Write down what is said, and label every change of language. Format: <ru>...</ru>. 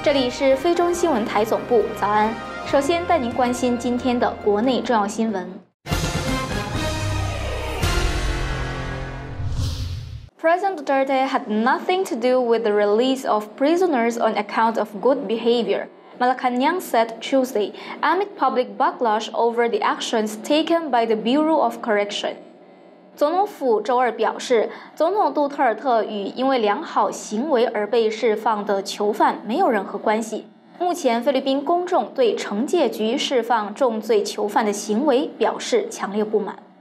<zh>是菲中新闻台总部，早安。首先带您关心今天的国内重要新闻。</zh> <en>President Duterte had nothing to do with the release of prisoners on account of good behavior, Malacanang said Tuesday amid public backlash over the actions taken by the Bureau of Correction.</en> <zh>总统府周二表示，总统杜特尔特与因为良好行为而被释放的囚犯没有任何关系。目前，菲律宾公众对惩戒局释放重罪囚犯的行为表示强烈不满。</zh>